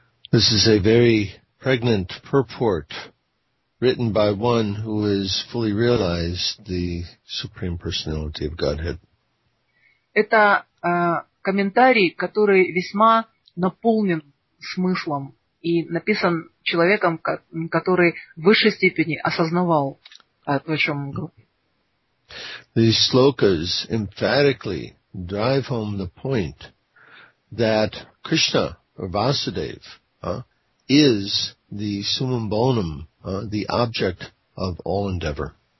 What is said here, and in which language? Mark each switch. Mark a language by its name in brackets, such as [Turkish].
[English] This is a very pregnant purport written by one who has fully realized the Supreme Personality of Godhead. [Russian] Это комментарий, который весьма наполнен смыслом. И написан человеком, который в высшей степени осознавал то, о чем говорит. [English] These slokas emphatically drive home the point that Krishna, or Vasudev, is the summum bonum, the object of all endeavor.